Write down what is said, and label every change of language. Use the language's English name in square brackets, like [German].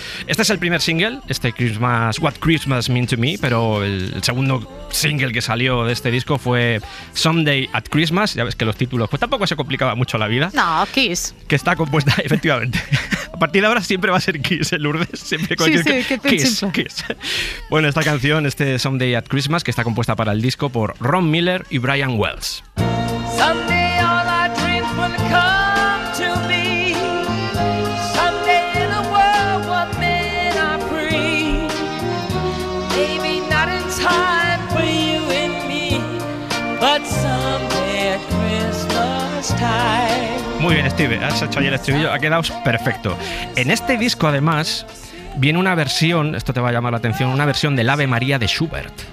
[Spanish] Este es el primer single, este Christmas, What Christmas Mean to Me, pero el segundo single que salió de este disco fue Someday at Christmas, ya ves que los títulos, pues tampoco se complicaba mucho la vida. No, Kiss. Que está compuesta, efectivamente. A partir de ahora siempre va a ser Kiss, el Lourdes, siempre con sí, Kiss. Bueno, esta canción, este Someday at Christmas, que está compuesta para el disco por Ron Miller y Brian Wells. [English] Someday all our dreams will come to be. Someday in a world where men are free. Maybe not in time for you and me, but someday at Christmas time. [Spanish] Muy bien, Steve, has hecho ayer el estribillo, ha quedado perfecto. En este disco, además, viene una versión, esto te va a llamar la atención, una versión del Ave María de Schubert.